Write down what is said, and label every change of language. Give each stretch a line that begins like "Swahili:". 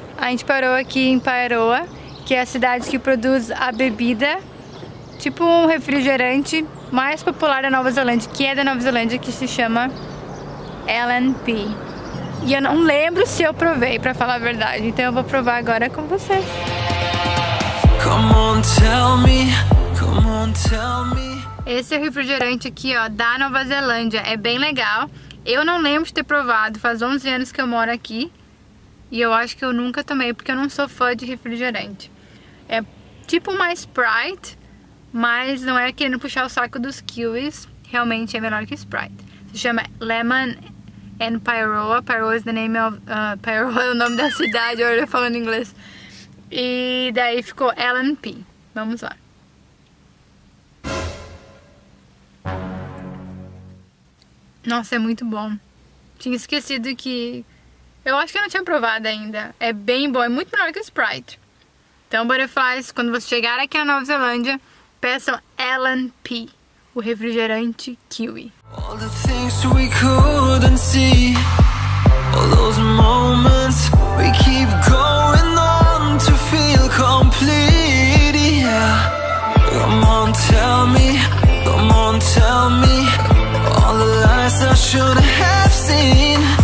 Portuguese: gente parou aqui em Paeroa, que é a cidade que produz a bebida, tipo um refrigerante mais popular da Nova Zelândia, que é da Nova Zelândia, que se chama L&P. E eu não lembro se eu provei, pra falar a verdade, então eu vou provar agora com vocês.
English: Come on, tell me, come on, tell me.
Portuguese: Esse refrigerante aqui, ó, da Nova Zelândia, é bem legal. Eu não lembro de ter provado, faz 11 anos que eu moro aqui. E eu acho que eu nunca tomei, porque eu não sou fã de refrigerante. É tipo uma Sprite, mas não é querendo puxar o saco dos kiwis. Realmente é melhor que Sprite. Se chama Lemon and Pairoa.
English: Pairoa is the name of...
Portuguese: Pairoa é o nome da cidade, agora eu falando inglês. E daí ficou L&P. Vamos lá. Nossa, é muito bom. Tinha esquecido que... Eu acho que eu não tinha provado ainda. É bem bom, é muito melhor que o Sprite. Então, Butterflies, quando você chegar aqui na Nova Zelândia, peçam L&P, o refrigerante kiwi.
English: All the things we couldn't see, all those moments we keep going on to feel complete, yeah. Come on, tell me, all the lies I should have seen.